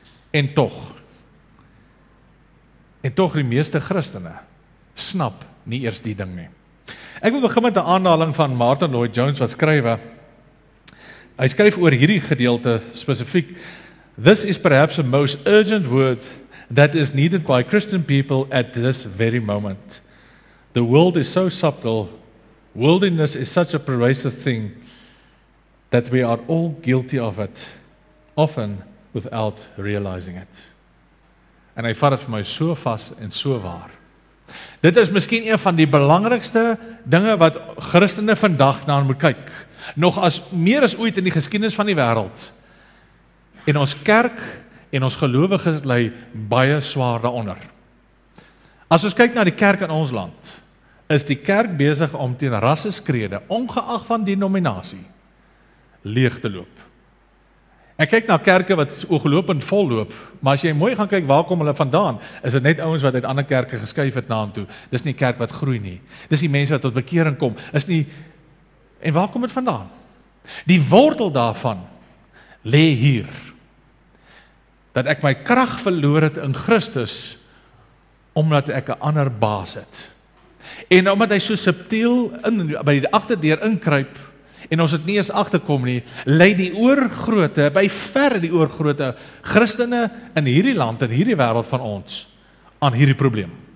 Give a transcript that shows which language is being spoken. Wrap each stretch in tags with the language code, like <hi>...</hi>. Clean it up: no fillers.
<af>En tog die meeste Christene snap nie eers die ding nie. Ek wil begin met 'n aanhaling van Martin Lloyd-Jones wat skrywe. Hy skryf oor hierdie gedeelte spesifiek.</af> <en>This is perhaps the most urgent word that is needed by Christian people at this very moment. The world is so subtle. Worldliness is such a pervasive thing that we are all guilty of it, often without realizing it.</en> <af>En hy vat het vir my so vas en so waar. Dit is miskien een van die belangrikste dinge wat Christene vandag na moet kyk. Nog as meer as ooit in die geskiedenis van die wêreld. En ons kerk en ons gelowiges lê baie swaar daaronder. As ons kyk na die kerk in ons land, is die kerk besig om teen rasseskrede, ongeag van denominasie, leeg te loop. Ek kyk na kerke wat ooglopend vol loop, maar as jy mooi gaan kyk waar kom hulle vandaan, is dit net ouens wat uit ander kerke geskuif het na en toe. Dis nie kerk wat groei nie. Dis die mense wat tot bekering kom. Is nie, en waar kom dit vandaan? Die wortel daarvan lê hier. Dat ek my krag verloor het in Christus, omdat ek 'n ander baas het. En omdat hy so subtiel in, by die agterdeur inkruip, en ons het nie eens agterkom nie, lei die oorgrote, by ver die oorgrote, Christene in hierdie land, in hierdie wêreld van ons, aan hierdie probleem.</af>